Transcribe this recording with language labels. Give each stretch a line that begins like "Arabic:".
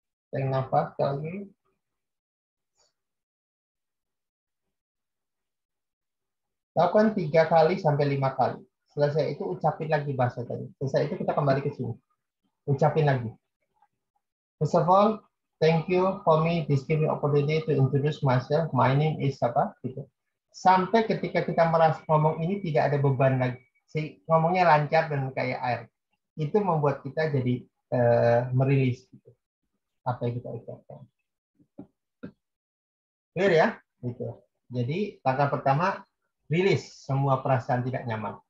Indonesian: Tarik nafas lagi. Lakukan 3 kali sampai 5 kali. Selesai itu ucapin lagi bahasa tadi. Selesai itu kita kembali ke sini. Ucapin lagi.
English: First of all, thank you for me this giving opportunity to introduce myself. My name is
Indonesian: apa? Gitu. Sampai ketika kita merasa ngomong ini tidak ada beban lagi. Si ngomongnya lancar dan kayak air. Itu membuat kita jadi merilis gitu. Apa yang kita ucapkan. Clear ya? Gitu. Jadi, langkah pertama, rilis semua perasaan tidak nyaman.